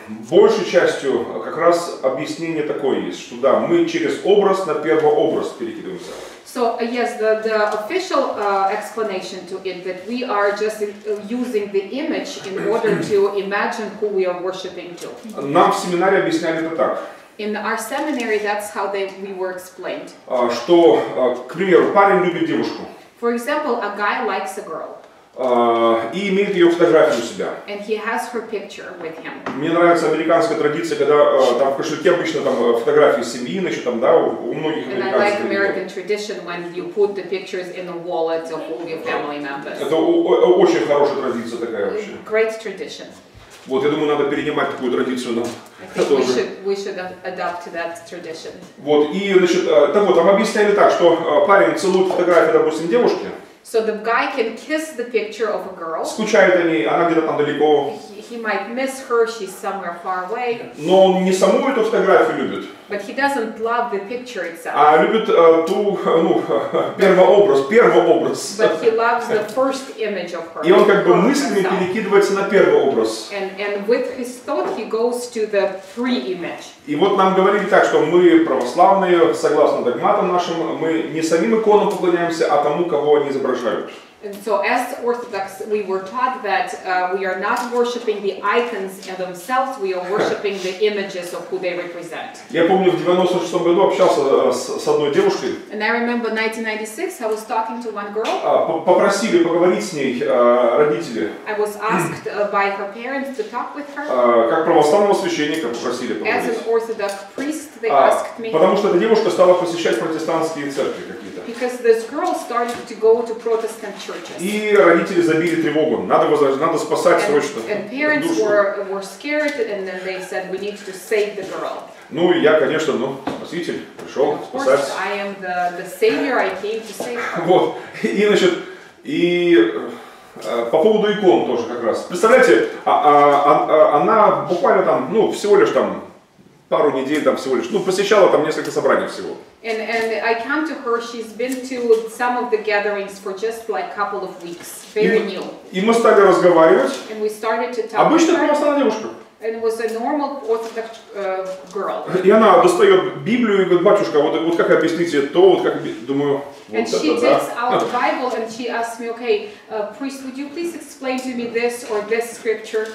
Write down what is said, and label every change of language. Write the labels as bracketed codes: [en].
[ru] Большей частью как раз объяснение такое есть, что да, мы через образ на первообраз перекидываемся. [en] So yes, the official explanation to it that we are just using the image in order to imagine who we are worshiping to. [ru] Нам в семинаре объясняли это так. [en] In our seminary, that's how we were explained. [ru] Что, к примеру, парень любит девушку. [en] For example, a guy likes a girl. [ru] И имеет ее фотографию у себя. [en] And he has her picture with him. [ru] Мне нравится американская традиция, когда там в кошельке обычно там фотографии семьи, значит, там, да, у многих американцев. [en] And I like American tradition when you put the pictures in the wallet of all your family members. [ru] Это очень хорошая традиция такая вообще. [en] Great tradition. [ru] Вот, я думаю, надо перенимать такую традицию нам. [en] We should adapt to that tradition. [ru] Вот, и, значит, так вот, там объясняли так, что парень целует фотографию, допустим, девушки. [en] So the guy can kiss the picture of a girl. [ru] Скучает о ней, она где-то там далеко. [en] He might miss her, she's somewhere far away. [ru] Но он не саму эту фотографию любит. [en] But he doesn't love the picture itself. [ru] А любит ту, ну, первообраз, первообраз. [en] But he loves the first image of her. [ru] И он как бы мыслями перекидывается на первообраз. [en] And with his thought he goes to the pre-image. [ru] И вот нам говорили так, что мы православные, согласно догматам нашим, мы не самим иконам поклоняемся, а тому, кого они изображают. [en] And so as Orthodox, we were taught that we are not worshiping the icons themselves, we are worshiping the images of who they represent. [ru] Я помню, в 96 году общался с одной девушкой. [en] And I remember 1996, I was talking to one girl. [ru] Попросили поговорить с ней родители. [en] I was asked by her parents to talk with her. [ru] Как православного священника попросили поговорить. [en] As an Orthodox priest, they asked me. [ru] Потому что эта девушка стала посещать протестантские церкви какие-то. [en] Because this girl started to go to Protestant churches. [ru] И родители забили тревогу. Надо спасать срочно. [en] And parents were scared, and then they said, "We need to save the girl." [ru] Ну и я, конечно, ну, спаситель пришел спасать. [en] I am the savior. I came to save. [ru] Вот и значит и по поводу икон тоже как раз. Представляете, она буквально там, ну, всего лишь там пару недель там всего лишь, ну, посещала там несколько собраний всего. [en] And I come to her, she's been to some of the gatherings for just like couple of weeks, very new. [ru] И мы стали разговаривать. [en] And we started to talk. [ru] Обычно православная девушка. [en] And it was a normal Orthodox girl. [ru] И она достает Библию и говорит, батюшка, вот как объяснить это, вот как, думаю, вот это, да. [en] And she takes out the Bible and she asks me, okay, priest, would you please explain to me this or this scripture?